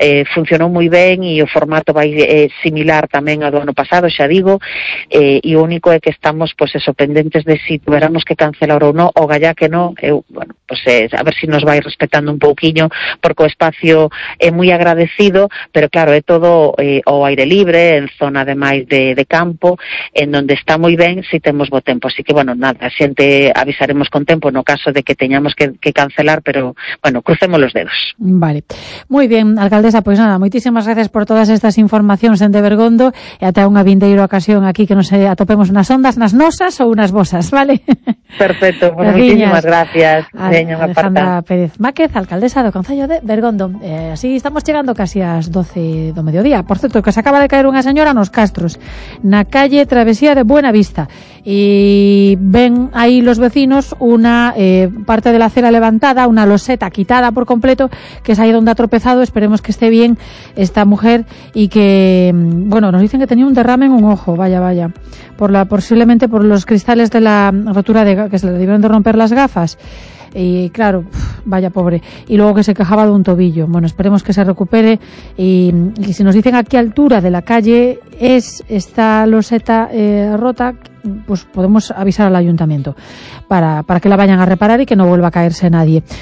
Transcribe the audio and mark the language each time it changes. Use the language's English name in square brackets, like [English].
[Galician] funcionou moi ben e o formato vai similar tamén ao do ano pasado, xa digo, e o único é que estamos, pues eso, pendentes de [Spanish] si tuveramos que cancelar [Galician] ou non, o gallá que non, bueno, pues a ver si nos vai respetando un pouquiño, porque o espacio é moi agradecido, pero claro, é todo ao aire libre, en zona ademais de campo, en donde está moi ben si temos bo tempo, así que bueno, nada, xente avisaremos con tempo no caso de que teñamos que cancelar, pero bueno, [Spanish] crucemos los dedos. [Galician] Vale, moi ben, alcaldesa, pois nada, moitísimas gracias por todas estas informacións en De Bergondo, e ata unha vinda a ocasión aquí que nos atopemos unas ondas, unas nosas ou unas vosas, vale? [Spanish] Perfecto, bueno, muchísimas gracias. [Galician] Alejandra Pérez Máquez, alcaldesa do Concello de Bergondo. Así estamos chegando casi ás 12 do mediodía. Por certo, que se acaba de caer unha señora nos castros, na calle Travesía de Buena Vista. E ven aí los vecinos unha parte de [Spanish] la acera levantada, [Galician] unha loseta quitada por completo, que é aí onde ha tropezado. [Spanish] Esperemos que esté bien esta mujer e que, bueno, nos dicen que tenía un derrame en un ojo, vaya, posiblemente por los cristales de la rotura de que se le debieron de romper las gafas. Y claro, vaya pobre. Y luego que se quejaba de un tobillo. Bueno, esperemos que se recupere. Y si nos dicen a qué altura de la calle es esta loseta rota, pues podemos avisar al ayuntamiento para que la vayan a reparar y que no vuelva a caerse nadie.